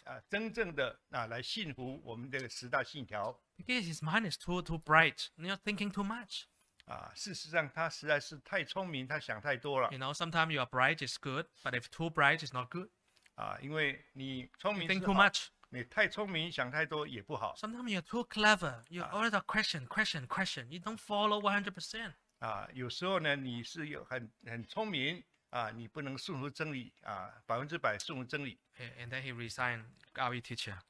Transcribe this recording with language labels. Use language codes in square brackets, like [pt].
[zh] 啊，真正的啊来信服我们这个十大信条。 [en] Because his mind is too bright. You're thinking too much. [zh] 啊，事实上他实在是太聪明，他想太多了。 [en] You know, sometimes you are bright is good, but if too bright is not good. [zh] 啊，因为你聪明是好。 [en] You think too much. [zh] 你太聪明，想太多也不好。 [en] Sometimes you're too clever. You always are question. You don't follow 100%. [zh] 啊，有时候呢，你是有很聪明啊，你不能顺服真理啊，百分之百顺服真理。 [en] And then he resigned RE teacher.